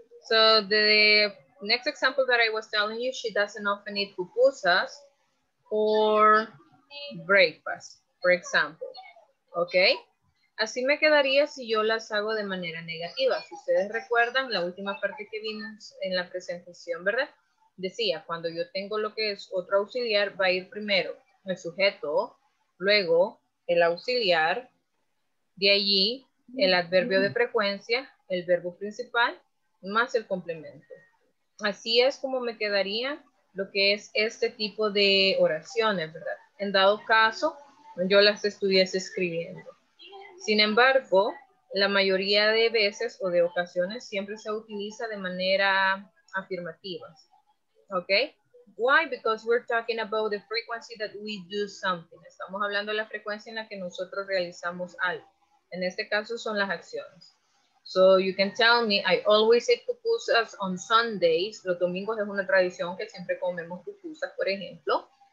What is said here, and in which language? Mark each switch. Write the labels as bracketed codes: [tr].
[en] So the next example that I was telling you, she doesn't often eat pupusas for breakfast, for example. Okay? [es] Así me quedaría si yo las hago de manera negativa. Si ustedes recuerdan la última parte que vimos en la presentación, ¿verdad? Decía, cuando yo tengo lo que es otro auxiliar, va a ir primero el sujeto, luego el auxiliar, de allí el adverbio de frecuencia, el verbo principal, más el complemento. Así es como me quedaría lo que es este tipo de oraciones, ¿verdad? En dado caso, yo las estuviese escribiendo. Sin embargo, la mayoría de veces o de ocasiones siempre se utiliza de manera afirmativa. [en] Okay? Why? Because we're talking about the frequency that we do something. [es] Estamos hablando de la frecuencia en la que nosotros realizamos algo. En este caso son las acciones. [en] So you can tell me, I always eat pupusas on Sundays. [es] Los domingos es una tradición que siempre comemos pupusas, por ejemplo.